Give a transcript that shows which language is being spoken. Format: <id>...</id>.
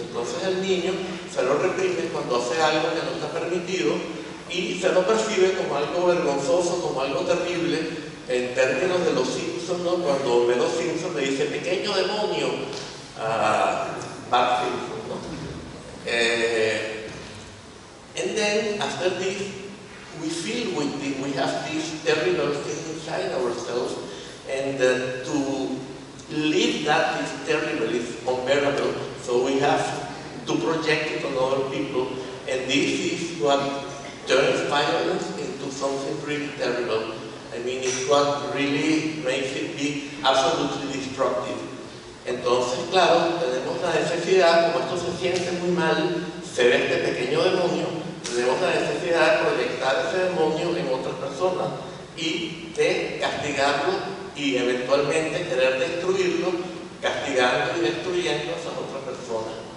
<es>Entonces el niño se lo reprime cuando hace algo que no está permitido y se lo percibe como algo vergonzoso, como algo terrible. En términos de los Simpsons, ¿no? Cuando Homero Simpson le dice pequeño demonio a Bart Simpson, ¿no?</es> <en>And then after this, we feel we have this terrible thing inside ourselves, and to live that is terrible, is unbearable. So we have to project it on other people, and this is what turns violence into something really terrible. I mean, it's what really makes it be absolutely destructive.</en> <es>Entonces, claro, tenemos la necesidad, como esto se siente muy mal, se ve este pequeño demonio, tenemos la necesidad de proyectar ese demonio en otra persona y de castigarlo y eventualmente querer destruirlo, castigando y destruyendo a esa otra persona.</es>